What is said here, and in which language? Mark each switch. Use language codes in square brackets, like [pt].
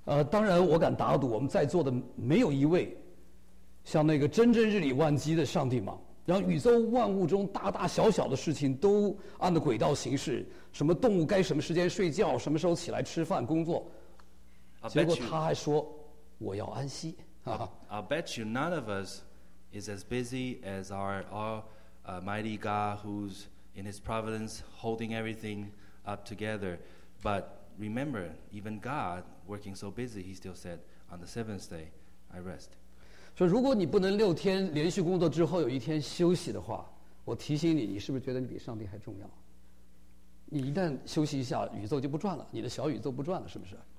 [zh] 当然，我敢打赌，我们在座的没有一位像那个蒸蒸日里万机的上帝忙。让宇宙万物中大大小小的事情都按着轨道行事，什么动物该什么时间睡觉，什么时候起来吃饭工作，结果他还说我要安息。 [en] I'll bet you none of us is as busy as our mighty God who's in his providence holding everything up together. But remember, even God working so busy, he still said, on the seventh day, I rest. [zh] 说如果你不能六天连续工作之后有一天休息的话，我提醒你，你是不是觉得你比上帝还重要？你一旦休息一下，宇宙就不转了，你的小宇宙不转了，是不是